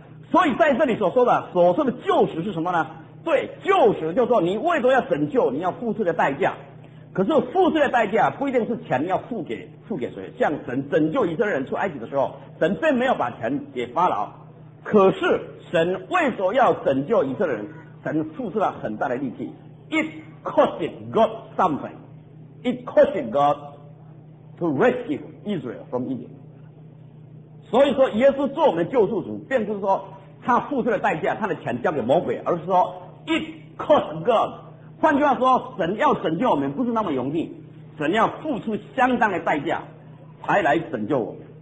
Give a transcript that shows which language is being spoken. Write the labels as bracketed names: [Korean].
[Chinese] 所以在这里所说的救赎是什么呢？对，救赎就是说你为什么要拯救，你要付出的代价。可是付出的代价不一定是钱要付给谁，像神拯救以色列人出埃及的时候，神并没有把钱给法老，可是神为所要拯救以色列人，神付出了很大的力气。 [English] It costed God something. It costed God to rescue Israel from Egypt. [Chinese] 所以说耶稣做我们救赎主，并不是说他付出的代价他的钱交给魔鬼，而是说 [English] It cost God [Chinese] 换句话说，神要拯救我们不是那么容易，神要付出相当的代价才来拯救我们。